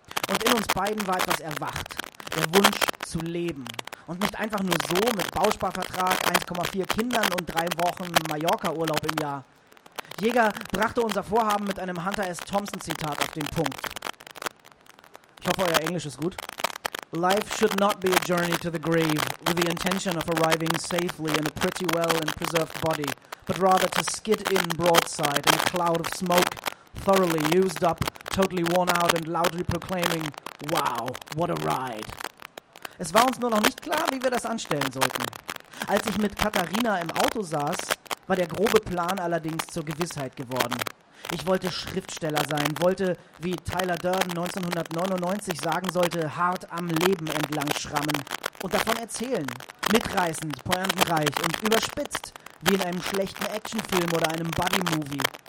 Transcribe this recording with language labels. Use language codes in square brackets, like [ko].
[de] Und in uns beiden war etwas erwacht. Der Wunsch zu leben. Und nicht einfach nur so, mit Bausparvertrag, 1,4 Kindern und 3 Wochen Mallorca-Urlaub im Jahr. Jäger brachte unser Vorhaben mit einem Hunter S. Thompson-Zitat auf den Punkt. Ich hoffe, euer Englisch ist gut. [en] Life should not be a journey to the grave with the intention of arriving safely in a pretty well and preserved body, but rather to skid in broadside in a cloud of smoke, thoroughly used up, totally worn out and loudly proclaiming, wow, what a ride. [de] Es war uns nur noch nicht klar, wie wir das anstellen sollten. Als ich mit Katharina im Auto saß, war der grobe Plan allerdings zur Gewissheit geworden. Ich wollte Schriftsteller sein, wollte, wie Tyler Durden 1999 sagen sollte, hart am Leben entlang schrammen und davon erzählen, mitreißend, pointenreich und überspitzt, wie in einem schlechten Actionfilm oder einem Buddy-Movie.